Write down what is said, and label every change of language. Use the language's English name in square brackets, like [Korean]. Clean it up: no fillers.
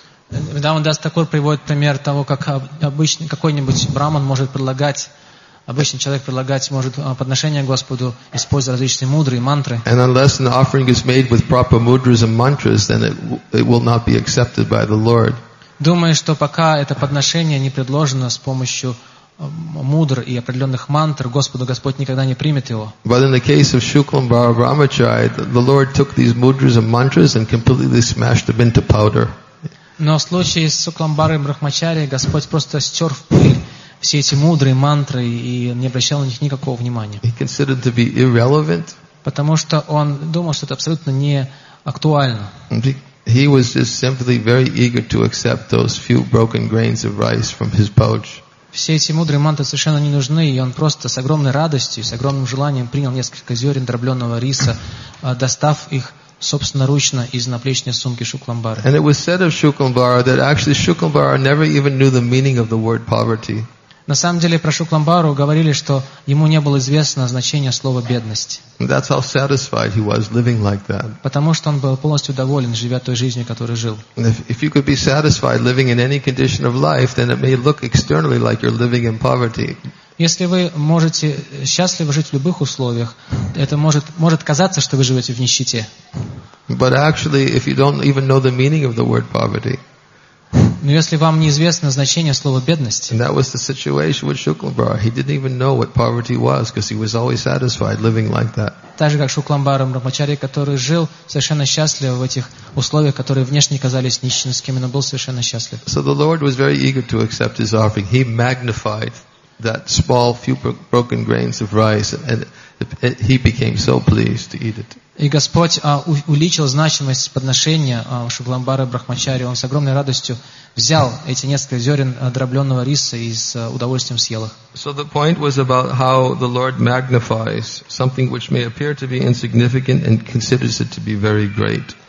[Russian] Vrindavan Das Thakur приводит пример того, как обычный какой-нибудь браман может предлагать, обычный человек предлагать может подношение Господу, используя различные мудры и мантры. [English] And unless an offering is made with proper mudras and mantras, then it will not be accepted by the Lord. [Russian] Думаю, что пока это подношение не предложено с помощью мудр и определенных мантр, Господу Господь никогда не примет его. [English] But in the case of Shuklambara Brahmachari, the Lord took these mudras and mantras and completely smashed them into powder. [Russian] Но в случае с Шукламбарой Брахмачари Господь просто стер в пыль все эти мудры и мантры и не обращал на них никакого внимания. [English] He considered to be irrelevant. [Russian] Потому что он думал, что это абсолютно не актуально. [English] He was just simply very eager to accept those few broken grains of rice from his pouch. [Russian] Все эти мудрые манты совершенно не нужны, и он просто с огромной радостью, с огромным желанием принял несколько зерен дробленного риса, достав их собственноручно из наплечной сумки Шукламбары. [English] And it was said of Shuklambara that actually Shuklambara never even knew the meaning of the word poverty. [Russian] На самом деле про Шукламбару говорили, что ему не было известно значение слова бедность. [English] That's how satisfied he was living like that. [Russian] Потому что он был полностью доволен, живя той жизнью, которой жил. [English] If you could be satisfied living in any condition of life, then it may look externally like you're living in poverty. [Russian] Если вы можете счастливо жить в любых условиях, это может казаться, что вы живете в нищете. [English] But actually, if you don't even know the meaning of the word poverty. [Russian] Но если вам неизвестно значение слова бедность. [English] And that was the situation with Shuklambara. He didn't even know what poverty was because he was always satisfied living like that. [Russian] Так же как Шукламбара Брахмачари, который жил совершенно счастливо в этих условиях, которые внешне казались нищенскими, но был совершенно счастлив. [English] So the Lord was very eager to accept his offering. He magnified that small few broken grains of rice and he became so pleased to eat it. [Russian] И Господь увеличил значимость подношения Шукламбары Брахмачари. Он с огромной радостью взял эти несколько зерен дробленного риса и с удовольствием съел их. [English] So the point was about how the Lord magnifies something which may appear to be insignificant and considers it to be very great.